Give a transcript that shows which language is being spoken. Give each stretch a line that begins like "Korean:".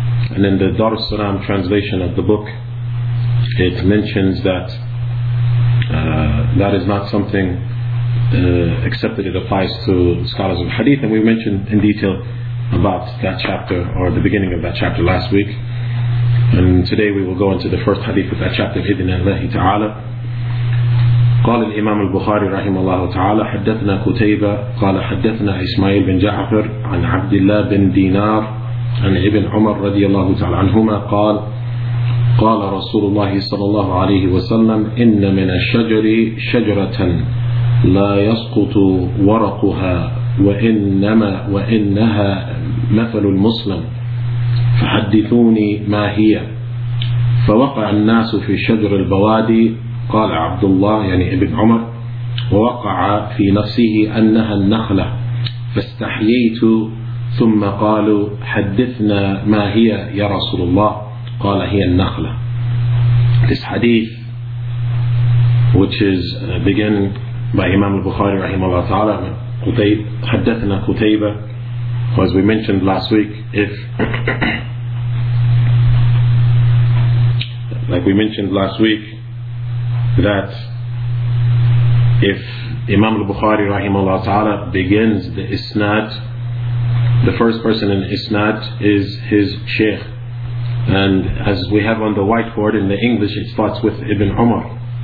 English: And in the Dar es Salaam translation of the book, it mentions that that is not something except that it applies to scholars of hadith, and we mentioned in detail about that chapter or the beginning of that chapter last week. And today we will go into the first hadith of that chapter.
Arabic: بإذن الله تعالى قال الإمام البخاري رحمه الله تعالى حدثنا كتيبة قال حدثنا إسماعيل بن جعفر عن عبد الله بن دينار عن ابن عمر رضي الله تعالى عنهما قال قال رسول الله صلى الله عليه وسلم إن من الشجر شجرة لا يسقط ورقها وإنها مثل المسلم فحدثوني ما هي فوقع الناس في شجر البوادي قال عبد الله يعني ابن عمر ووقع في نفسه أنها النخلة فاستحييت ثم قالوا حدثنا ما هي يا رسول الله قال هي النخلة.
English: This hadith, which is beginning by Imam al-Bukhari rahimahullah ta'ala,
Arabic: حدثنا كتيبة,
English: as we mentioned last week, if like we mentioned last week that if Imam al-Bukhari rahimahullah ta'ala begins the isnad, the first person in isnad is his sheikh, and as we have on the whiteboard in the English, it starts with Ibn Umar.